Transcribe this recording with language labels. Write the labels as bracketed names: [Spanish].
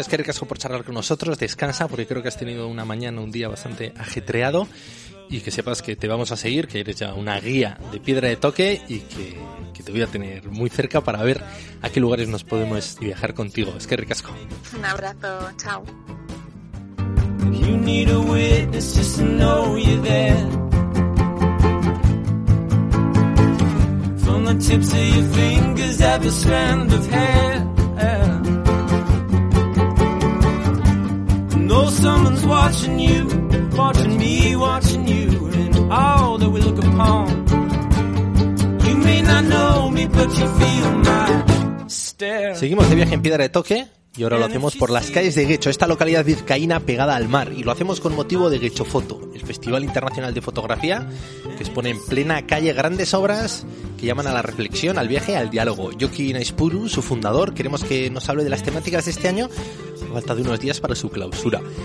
[Spanish] Es que ricasco por charlar con nosotros, descansa, porque creo que has tenido una mañana, un día bastante ajetreado, y que sepas que te vamos a seguir, que eres ya una guía de piedra de toque, y que te voy a tener muy cerca para ver a qué lugares nos podemos viajar contigo. Es que ricasco. Un abrazo, chao. [English] You need a witness just to know you're there. From the tips of your fingers, every strand of hair. No, someone's watching you, watching me, watching you, and all that we look upon. You may not know me, but you feel my stare. [Spanish] Seguimos de viaje en piedra de toque. Y ahora lo hacemos por las calles de Guecho, esta localidad vizcaína pegada al mar. Y lo hacemos con motivo de Guecho Foto, el Festival Internacional de Fotografía, que expone en plena calle grandes obras que llaman a la reflexión, al viaje, al diálogo. Yoki Naispuru, su fundador, queremos que nos hable de las temáticas de este año, a falta de unos días para su clausura.